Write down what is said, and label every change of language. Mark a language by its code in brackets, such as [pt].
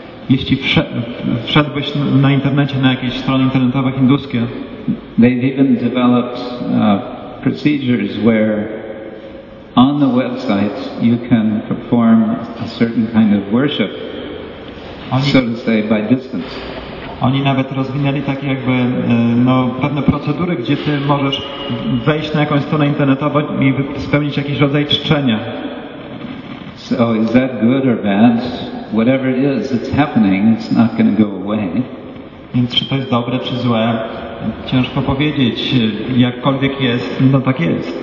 [pl] Jeśli wszedłbyś na internecie, na jakieś strony internetowe hinduskie. [en] They've even developed procedures where on the website you can perform a certain kind of worship, so to say, by distance. [pl] Oni nawet rozwinęli takie jakby pewne procedury, gdzie ty możesz wejść na jakąś stronę internetową i spełnić jakiś rodzaj czczenia. [en] So is that good or bad? Whatever it is, it's happening, it's not going to go away. [pl] Więc czy to jest dobre, czy złe? Ciężko powiedzieć. Jakkolwiek jest, no tak jest.